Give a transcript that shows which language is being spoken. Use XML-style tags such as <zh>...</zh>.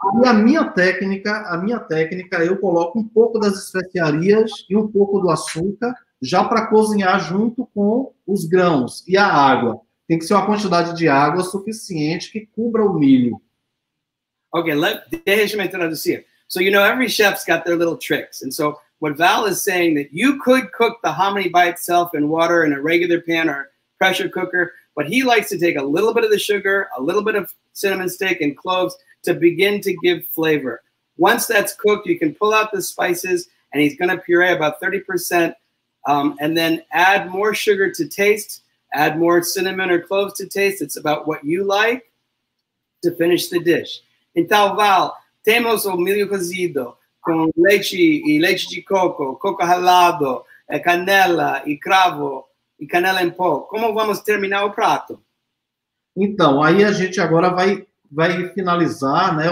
<pt>E a minha técnica, eu coloco um pouco das especiarias e um pouco do açúcar, já para cozinhar junto com os grãos e a água. Tem que ser uma quantidade de água suficiente que cubra o milho. Ok, deixa-me traduzir.</pt> <en>So, you know, every chef's got their little tricks. And so, what Val is saying, that you could cook the hominy by itself in water in a regular pan or pressure cooker, but he likes to take a little bit of the sugar, a little bit of cinnamon stick and cloves to begin to give flavor. Once that's cooked, you can pull out the spices, and he's going to puree about 30%, and then add more sugar to taste, add more cinnamon or cloves to taste. It's about what you like to finish the dish.</en> <pt>Então, Val, temos o milho cozido com leite e leite de coco, coco ralado, canela e cravo e canela em pó. Como vamos terminar o prato? Então, aí a gente agora vai finalizar, né?</pt>